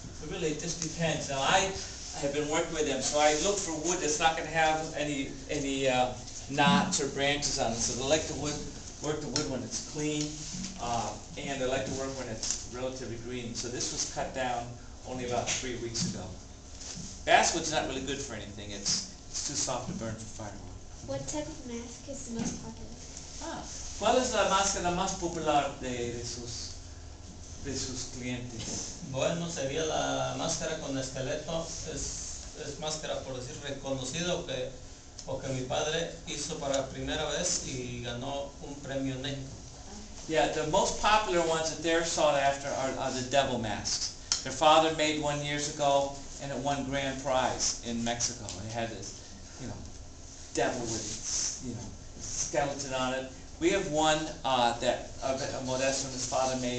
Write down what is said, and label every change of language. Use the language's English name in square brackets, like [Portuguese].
[English] Really, it just depends. Now, I have been working with them, so I look for wood that's not going to have any knots or branches on it. So they like to work the wood when it's clean, and they like to work when it's relatively green. So this was cut down only about 3 weeks ago. Basswood's not really good for anything. It's too soft to burn for firewood. What type of mask is the most popular? [Spanish] Ah, ¿cuál es la máscara más popular de sus clientes? Bueno, sería la máscara con esqueleto, es máscara, por decir, reconocido que mi padre hizo para primera vez y ganó un premio en México. [English] Yeah, the most popular ones that they're sought after are the devil masks. Their father made one years ago and it won grand prize in Mexico. It had this, you know, devil with its, you know, skeleton on it. We have one that Modesto and his father made.